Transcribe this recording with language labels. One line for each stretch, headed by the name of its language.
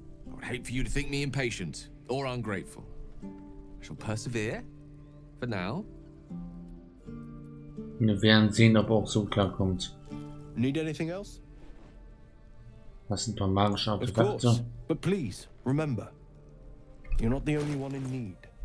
English: I would hate for you to think me impatient or ungrateful. I shall persevere.
German: Wir werden sehen, ob er auch so klar kommt.
English: Need anything else?
German: Was sind paar magische Artefakte?
English: But please remember, you're not the only one in need.